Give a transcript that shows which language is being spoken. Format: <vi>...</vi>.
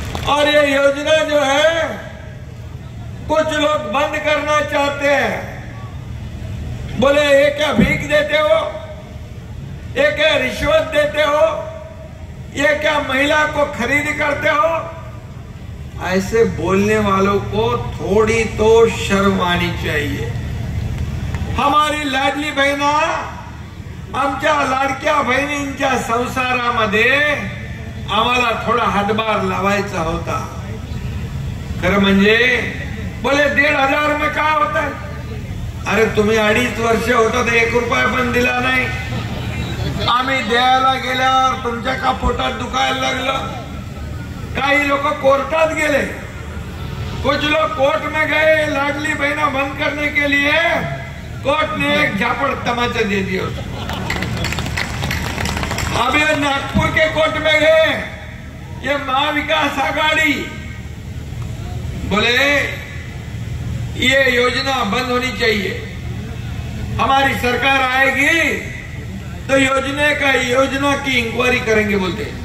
<hi>और ये योजना जो है कुछ लोग बंद करना चाहते हैं, बोले ये क्या भीख देते हो, ये क्या रिश्वत देते हो, ये क्या महिला को खरीद करते हो, ऐसे बोलने वालों को थोड़ी तो शर्म आनी चाहिए। हमारी लाडली बहना</hi> <mr>आमच्या लाडक्या बहिणींच्या संसारामध्ये आम्हाला थोडा हातभार लावायचा होता। खरं म्हणजे</mr> <hi>बोले 1500 में का होता है?</hi> <mr>अरे तुम्ही 2.5 वर्ष होता तर 1 रुपया पण दिला नाही। आम्ही द्यायला गेल्यावर तुमच्या का पोटात दुखायला लागलं? काही लोक कोर्टात गेले,</mr> <hi>कुछ लोग कोर्ट में गए लाडली बहना बंद करने के लिए, कोर्ट ने एक झापड़ तमाचा दे दिया उसको। अब ये नागपुर के कोर्ट में गए, ये महाविकास आघाड़ी बोले ये योजना बंद होनी चाहिए, हमारी सरकार आएगी तो योजना की इंक्वायरी करेंगे बोलते।</hi>